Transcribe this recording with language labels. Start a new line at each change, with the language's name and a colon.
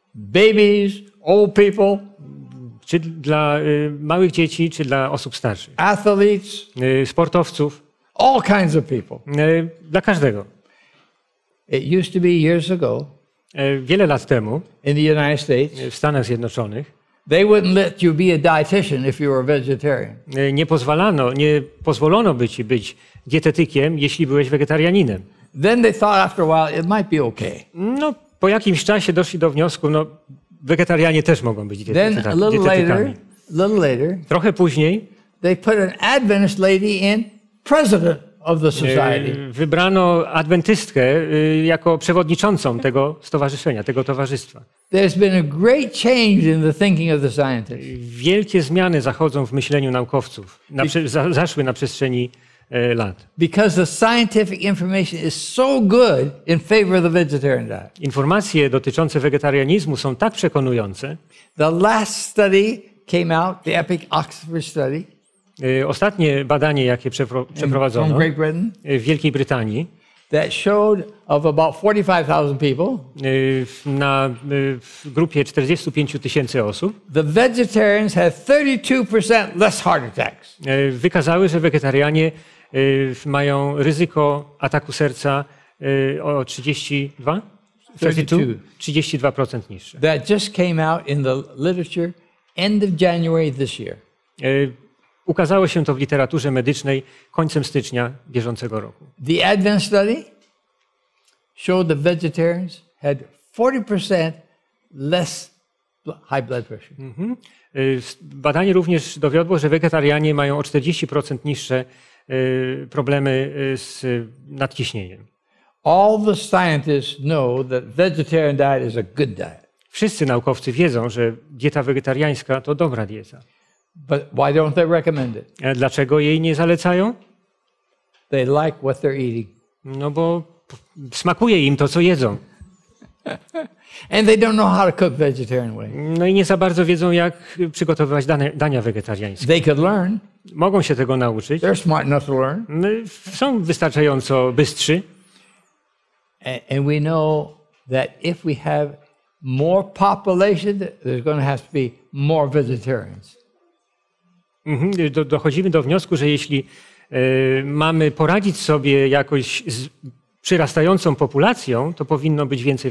English: Babies, old people,
Polish: czy dla małych dzieci, czy dla osób starszych.
English: Athletes,
Polish: sportowców,
English: all kinds of people,
Polish: dla każdego.
English: It used to be years ago,
Polish: wiele lat temu,
English: in the United States,
Polish: w Stanach Zjednoczonych.
English: They wouldn't let you be a dietitian if you were a vegetarian.
Polish: Nie pozwolono by ci być dietetykiem, jeśli byłeś wegetarianinem.
English: Then they thought after a while it might be okay.
Polish: No, po jakimś czasie doszli do wniosku, no wegetarianie też mogą być dietetykami.
English: A little later.
Polish: Trochę później.
English: They put an Adventist lady in president of the society.
Polish: Wybrano adwentystkę jako przewodniczącą tego stowarzyszenia, tego towarzystwa.
English: There's been a great change in the thinking of the scientists.
Polish: Wielkie zmiany zachodzą w myśleniu naukowców. Zaszły na przestrzeni lat.
English: Because the scientific information is so good in favor of the vegetarian diet.
Polish: Informacje dotyczące wegetarianizmu są tak przekonujące.
English: The last study came out, the epic Oxford study.
Polish: Ostatnie badanie, jakie przeprowadzono w Wielkiej Brytanii,
English: that showed of about 45,000 people,
Polish: na grupie 45 tysięcy osób,
English: the vegetarians had 32% less heart attacks.
Polish: Wykazały, że wegetarianie mają ryzyko ataku serca o 32% niższe.
English: That just came out in the literature end of January this year.
Polish: Ukazało się to w literaturze medycznej końcem stycznia bieżącego roku.
English: The Advent study showed that vegetarians had 40% less high blood pressure.
Polish: Badanie również dowiodło, że wegetarianie mają o 40% niższe problemy z nadciśnieniem.
English: All the scientists know that vegetarian diet is a good diet.
Polish: Wszyscy naukowcy wiedzą, że dieta wegetariańska to dobra dieta.
English: But why don't they recommend it?
Polish: Dlaczego jej nie zalecają?
English: They like what they're eating.
Polish: No bo smakuje im to, co jedzą.
English: And they don't know how to cook vegetarian way.
Polish: No i nie za bardzo wiedzą, jak przygotowywać dania wegetariańskie.
English: They could learn.
Polish: Mogą się tego nauczyć.
English: They're smart enough to learn.
Polish: Są wystarczająco bystrzy.
English: And we know that if we have more population, there's going to have to be more vegetarians.
Polish: Dochodzimy do wniosku, że jeśli mamy poradzić sobie jakoś z przyrastającą populacją, to powinno być więcej